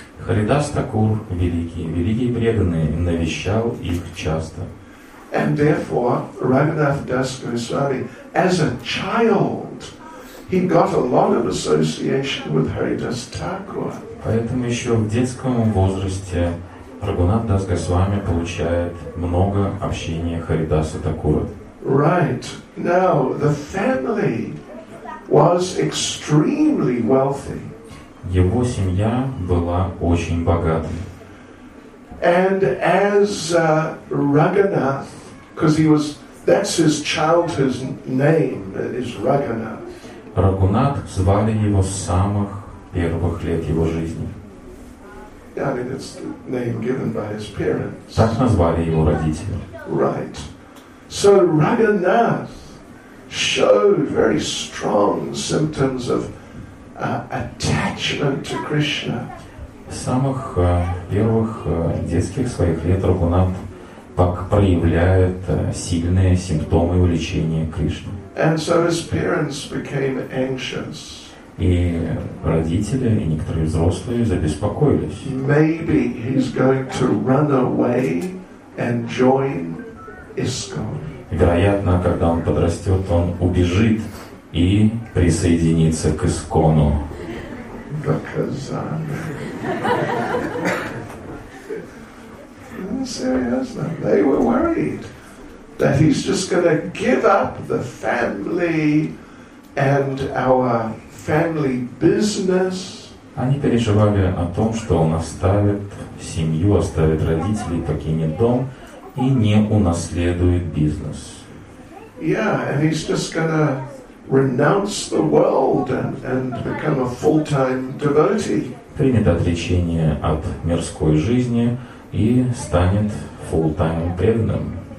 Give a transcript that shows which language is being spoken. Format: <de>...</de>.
<ru>Харидас Такур великий преданный, навещал их часто.</ru> <en>And therefore, Raghunath Das Goswami, as a child, he got a lot of association with Haridas Thakur.</en> <ru>Поэтому еще в детском возрасте Рагунат Дас Госвами получает много общения Харидаса Такура.</ru> <en>Right. Now, the family was extremely wealthy.</en> <ru>Его семья была очень богатой.</ru> <en>And as Raghunath, because he was, that's his childhood name, is Raghunath.</en> <ru>Рагунат звали его с самых первых лет его жизни.</ru> <en>Yeah, I mean, it's the name given by his parents.</en> <ru>Так назвали его родители.</ru> <en>Right. So Raghunath showed very strong symptoms of attachment to Krishna.</en> <ru>Самых первых детских своих лет Рагунат проявляет сильные симптомы увлечения Кришны.</ru> <en>And so his parents became anxious.</en> <ru>И родители и некоторые взрослые забеспокоились.</ru> <en>Maybe he's going to run away and join ISKCON.</en> <ru>Вероятно, когда он подрастет, он убежит и присоединиться к ИСКОНу.</ru> <en>The Kazan. Seriously, they were worried that he's just going to give up the family and our family business.</en> <ru>Они переживали о том, что он оставит семью, оставит родителей, покинет дом и не унаследует бизнес.</ru> <en>Yeah, and he's just gonna renounce the world and become a full-time devotee.</en> <ru>Примет отречение от мирской жизни и станет</ru> <en>full-time</en> <ru>преданным.</ru>